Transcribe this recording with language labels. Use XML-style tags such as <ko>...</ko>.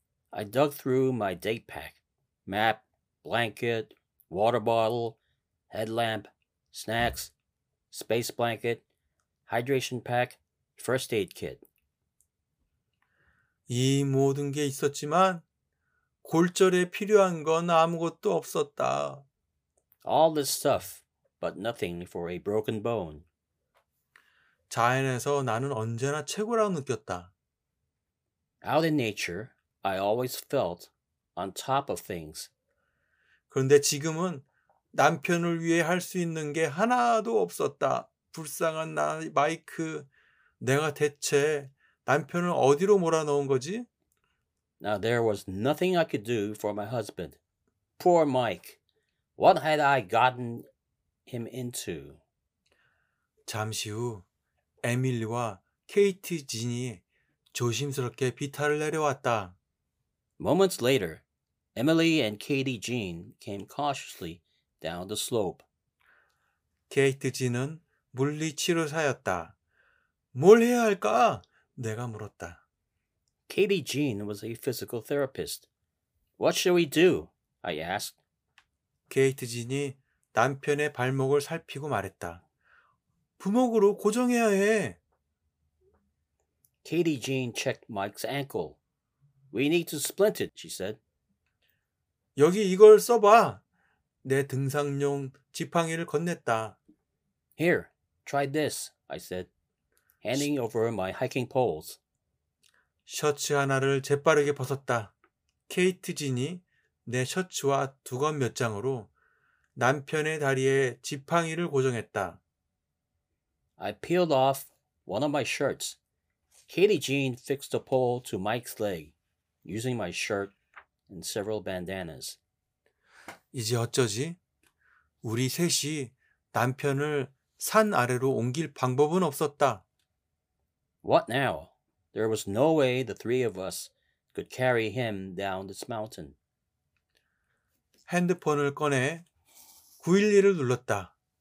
<en>I dug through my day pack. Map, blanket, water bottle, headlamp, snacks, space blanket, hydration pack, first aid kit.</en> <ko>이 모든 게 있었지만 골절에 필요한 건 아무것도 없었다.</ko> <en>All this stuff, but nothing for a broken bone.</en> <ko>자연에서 나는 언제나 최고라고 느꼈다.</ko> <en>Out in nature, I always felt on top of things.</en> <ko>그런데 지금은 남편을 위해 할 수 있는 게 하나도 없었다. 불쌍한 나, 마이크. 내가 대체 남편을 어디로 몰아넣은 거지?</ko> <en>Now there was nothing I could do for my husband. Poor Mike. What had I gotten him into?</en> <ko>잠시 후 에밀리와 케이티 진이 조심스럽게 비탈을 내려왔다.</ko> <en>Moments later, Emily and Katie Jean came cautiously down the slope.</en> <ko>케이트 진은 물리치료사였다. 뭘 해야 할까? 내가 물었다.</ko> <en>Katie Jean was a physical therapist. What shall we do? I asked.</en> <ko>케이트 진이 남편의 발목을 살피고 말했다. 부목으로 고정해야 해.</ko> <en>Katie Jean checked Mike's ankle. We need to splint it, she said.</en> <ko>여기 이걸 써봐. 내 등산용 지팡이를 건넸다.</ko> <en>Here, try this, I said, handing over my hiking poles.</en> <ko>셔츠 하나를 재빠르게 벗었다. 케이트 진이 내 셔츠와 두건 몇 장으로 남편의 다리에 지팡이를 고정했다.</ko> <en>I peeled off one of my shirts. Katie Jean fixed a pole to Mike's leg using my shirt and several bandanas.</en> <ko>이제 어쩌지? 우리 셋이 남편을 산 아래로 옮길 방법은 없었다.</ko> <en>What now? There was no way the three of us could carry him down this mountain.</en> <ko>핸드폰을 꺼내 911을 눌렀다.</ko>